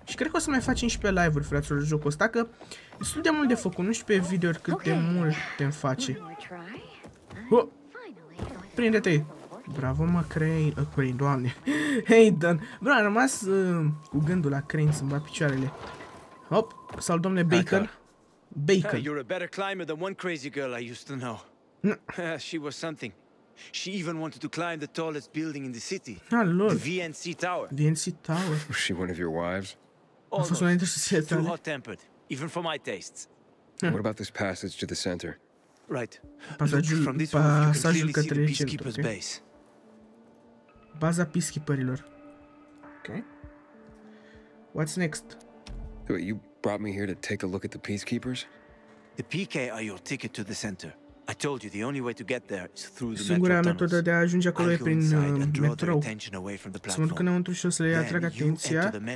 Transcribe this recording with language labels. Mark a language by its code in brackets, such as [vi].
[ro] Și cred că o să mai facem și pe live-uri, fraților, jocul ăsta, că e destul de mult de făcut, nu știu pe video-uri cât de mult te-mi face. Oh. Prinde-te! Bravo, mă, Crane, doamne! Hey, Dan! Bro, am rămas cu gândul la Crane, să-mi bat picioarele. Hop, salut, domnule Bacon! Bacon. [en] You're a better climber than one crazy girl I used to know. She was something. She even wanted to climb the tallest building in the city. Ah, Lord. The VNC Tower. VNC Tower. Was she one of your wives? Almost. Too hot-tempered, even for my tastes. What about this passage to the center? Right. Look, from this roof, you can clearly see the peacekeeper's base. [ro] Baza peacekeeperilor. [en] Okay. What's next? Wait, you brought me here to take a look at the peacekeepers? The PK are your ticket to the center. I told you the only way to get there is through the [ro] singura [en] metro [ro] metodă de a ajunge acolo e prin metro. Să mă duc înăuntru și o să le atrag atenția.